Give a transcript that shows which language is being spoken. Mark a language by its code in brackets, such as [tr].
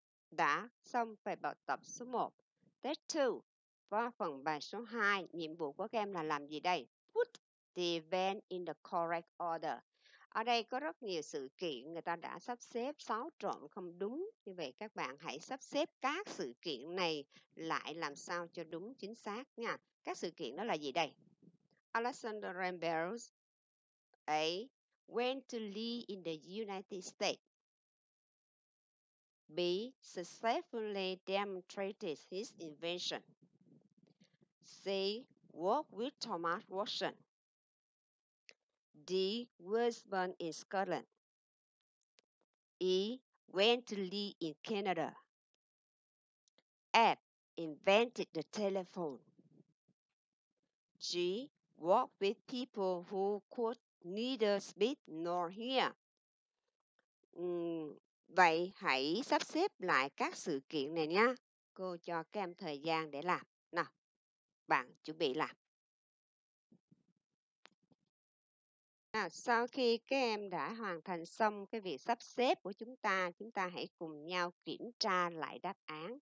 [vi] Đã xong phải bài tập số 1. Test 2. Và phần bài số 2, nhiệm vụ của các em là làm gì đây? [en] Put the event in the correct order. [vi] Ở đây có rất nhiều sự kiện, người ta đã sắp xếp xáo trộn không đúng. Như vậy các bạn hãy sắp xếp các sự kiện này lại làm sao cho đúng chính xác nha. Các sự kiện đó là gì đây? [en] Alexander Graham Bell went to live in the United States. B. Successfully demonstrated his invention. C. Worked with Thomas Watson. D. Was born in Scotland. E. Went to live in Canada. F. Invented the telephone. G. Worked with people who could neither speak nor hear. [vi] Vậy hãy sắp xếp lại các sự kiện này nhé. Cô cho các em thời gian để làm. Nào, bạn chuẩn bị làm. Nào, sau khi các em đã hoàn thành xong cái việc sắp xếp của chúng ta hãy cùng nhau kiểm tra lại đáp án.